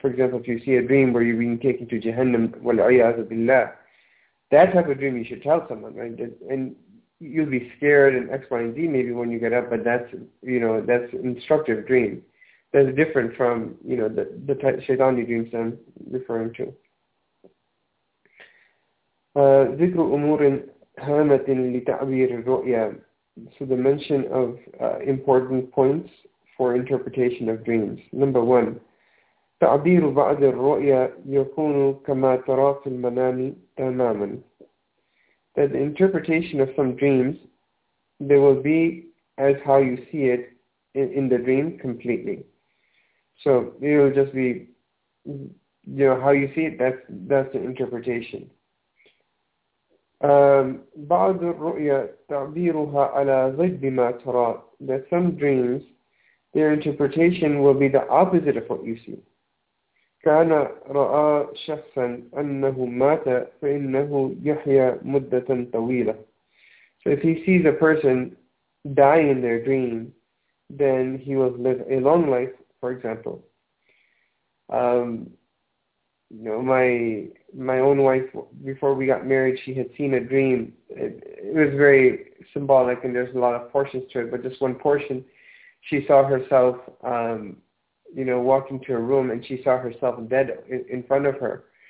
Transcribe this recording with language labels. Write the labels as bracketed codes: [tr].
[en] For example, if you see a dream where you're being taken to Jahannam, wal-'iyadhu billah, that type of dream you should tell someone, right? And you'll be scared and X, Y, and Z maybe when you get up, but that's, you know, that's an instructive dream. That's different from, you know, the shaitani dreams I'm referring to. [ar] ذكر أمور هامة لتعبير الرؤيا. [en] So the mention of important points for interpretation of dreams. Number one, [ar] تعبير بعض الرؤيا يكون كما ترى في المنام تماما. [en] That the interpretation of some dreams, they will be as how you see it in the dream completely. So it will just be, you know, how you see it, that's the interpretation. [ar] بعض الرؤيا تعبيرها على ضد ما ترى. [en] That some dreams, their interpretation will be the opposite of what you see. [ar] كان رأى شخصا أنه مات فإنه يحيى مدة طويلة. [en] So if he sees a person die in their dream, then he will live a long life, for example. You know, my own wife, before we got married, she had seen a dream. It was very symbolic, and there's a lot of portions to it, but just one portion, she saw herself, you know, walking to a room, and she saw herself dead in front of her.